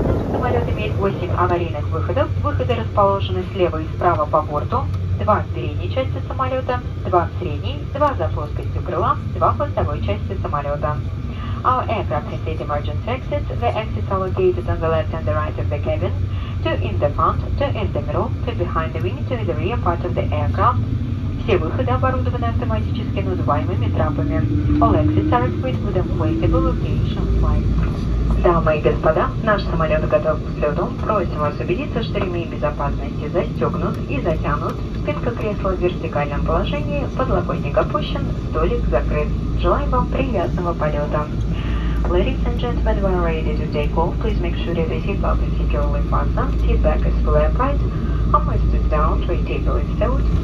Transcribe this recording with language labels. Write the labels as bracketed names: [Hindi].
[Russian] Самолет имеет 8 аварийных выходов. Выходы расположены слева и справа по борту. 2 в передней части самолета, 2 в средней, 2 за плоскостью крыла, 2 в хвостовой части самолета. [English] Our aircraft has eight emergency exits. The exits are located on the left and the right of the cabin. Two in the front, two in the middle, two behind the wing, two in the rear part of the aircraft. [Russian] Все выходы оборудованы автоматически надуваемыми трапами. [English] All exits are equipped with inflatable location lights. [Russian] Дамы и господа, наш самолет готов к взлету. Просим вас убедиться, что ремень безопасности застегнут и затянут. Спинка кресла в вертикальном положении, подлокотник опущен, столик закрыт. Желаем вам приятного полета. [English] Ladies and gentlemen, when ready to take off, please make sure that the seatbelt is securely fastened, seat back is fully upright, armrest is stood down, tray table is stowed.